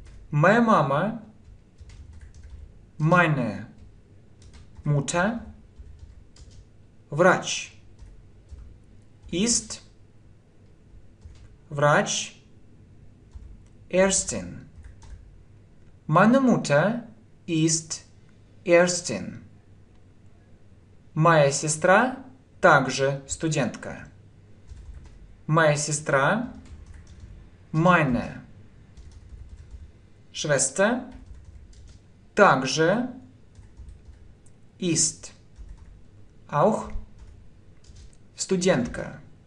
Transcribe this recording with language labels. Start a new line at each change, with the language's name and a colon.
Russian: Моя мама –
German: meine Mutter
Russian: – врач.
German: Ist –
Russian: врач
German: – Ärztin. Meine Mutter ist Ärztin.
Russian: Моя сестра также студентка. Моя сестра
German: meine Schwester
Russian: также
German: ist auch
Russian: студентка.